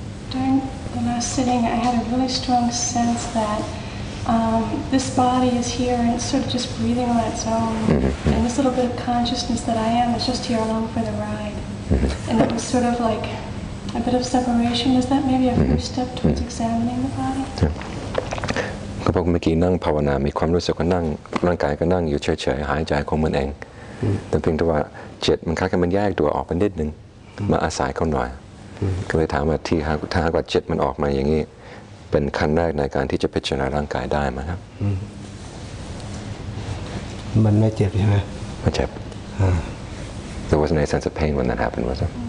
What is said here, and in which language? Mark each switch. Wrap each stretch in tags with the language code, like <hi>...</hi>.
<en>During the last sitting, I had a really strong sense that this body is here and it's sort of just breathing on its own. Mm-hmm. And this little bit of consciousness that I am is just here along for the ride. Mm-hmm. And it was sort of like a bit of separation. Is that maybe a first mm-hmm. step towards mm-hmm. examining the body? Yeah.</en> <th>ก็พอเมื่อกี้นั่งภาวนามีความรู้สึกว่านั่งร่างกายก็นั่งอยู่เฉยๆหายใจของมันเองแต่เพียงแต่ว่าจิตมันคล้ายกับมันแยกตัวออกไปนิดนึงมาอาศัยเขาหน่อยก็เลยถามว่าที่หากถ้าหากว่าจิตมันออกมาอย่างนี้เป็นขั้นแรกในการที่จะพิจารณาร่างกายได้ไหมครับ มันไม่เจ็บใช่ไหม ไม่เจ็บ</th> <en>There wasn't any sense of pain when that happened, was there?</en>